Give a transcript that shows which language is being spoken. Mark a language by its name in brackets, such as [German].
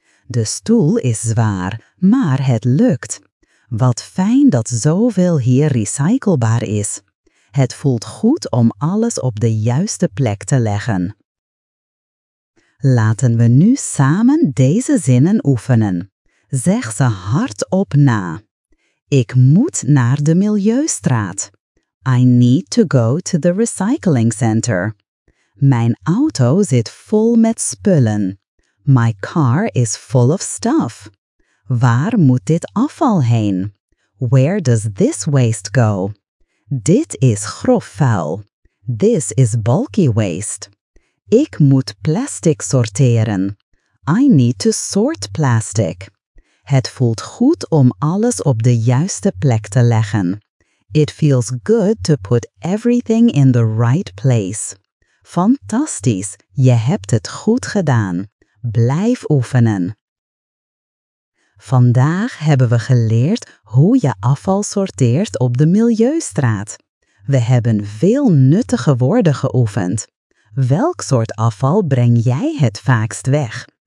[Dutch] De stoel is zwaar, maar het lukt. Wat fijn dat zoveel hier recyclebaar is. Het voelt goed om alles op de juiste plek te leggen. Laten we nu samen deze zinnen oefenen. Zeg ze hardop na. Ik moet naar de Milieustraat. [English] I need to go to the recycling center. [Dutch] Mijn auto zit vol met spullen. [English] My car is full of stuff. [Dutch] Waar moet dit afval heen? [English] Where does this waste go? [Dutch] Dit is grof vuil. [English] This is bulky waste. [Dutch] Ik moet plastic sorteren. [English] I need to sort plastic. [Dutch] Het voelt goed om alles op de juiste plek te leggen. [English] It feels good to put everything in the right place. [Dutch] Fantastisch, je hebt het goed gedaan. Blijf oefenen. Vandaag hebben we geleerd hoe je afval sorteert op de Milieustraat. We hebben veel nuttige woorden geoefend. Welk soort afval breng jij het vaakst weg?